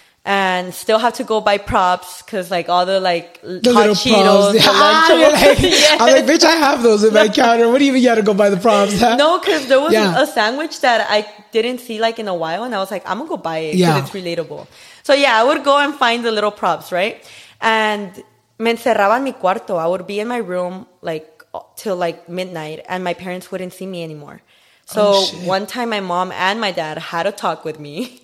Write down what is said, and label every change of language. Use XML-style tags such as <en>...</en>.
<en>And still have to go buy props because like all the like the hot little Cheetos. Props. The lunchables. I'm like, bitch, I have those in my counter. What do you even got to go buy the props? Huh? No, because there was a sandwich that I didn't see like in a while. And I was like, I'm going to go buy it because it's relatable. So yeah, I would go and find the little props, right?</en> <es>And me encerraba en mi cuarto.</es> <en>I would be in my room like till like midnight and my parents wouldn't see me anymore. So one time my mom and my dad had a talk with me.</en>